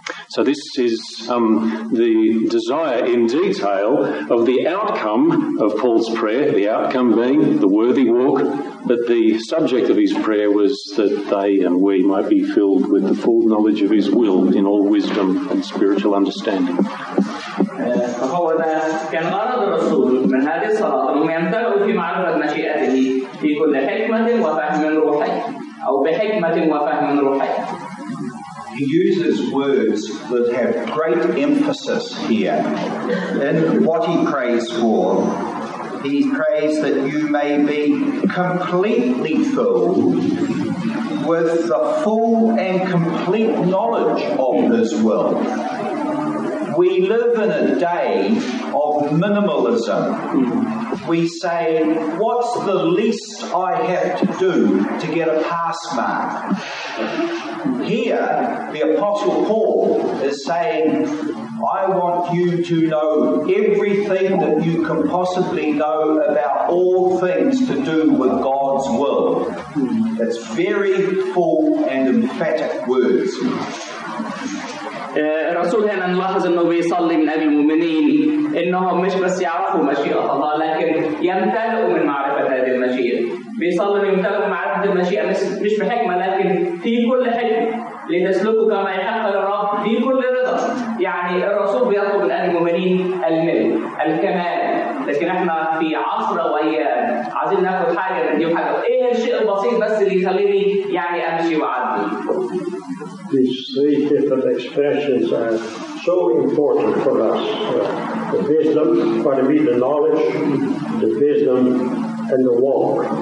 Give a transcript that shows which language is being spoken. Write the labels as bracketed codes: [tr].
[en] So this is the desire in detail of the outcome of Paul's prayer, the outcome being the worthy walk, but the subject of his prayer was that they and we might be filled with the full knowledge of his will in all wisdom and spiritual understanding. [ar] فهو ده كان غرض الرسول من هذه الصلاة أنهم يمتلئوا في معرفة مشيئته في كل حكمة وفهم روحي أو بحكمة وفهم روحي. [en] He uses words that have great emphasis here in what he prays for. He prays that you may be completely filled with the full and complete knowledge of his will. We live in a day of minimalism. We say, what's the least I have to do to get a pass mark? Here, the Apostle Paul is saying, I want you to know everything that you can possibly know about all things to do with God's will. That's very full and emphatic words. [ar] الرسول هنا نلاحظ انه بيصلي من اجل المؤمنين انهم مش بس يعرفوا مشيئه الله لكن يمتلئوا من معرفه هذه المشيئه. بيصلي يمتلئوا من معرفه المشيئه مش بحكمه لكن في كل حكمه لتسلكوا كما يحق للرب في كل رضا. يعني الرسول بيطلب من اجل المؤمنين الملء الكمال. لكن احنا في عصر وايام عايزين ناخد حاجه من دي وحاجه. ايه الشيء البسيط بس اللي يخليني يعني امشي وعدي؟ [en] These three different expressions are so important for us. The wisdom, what I mean, the knowledge, the wisdom, and the walk.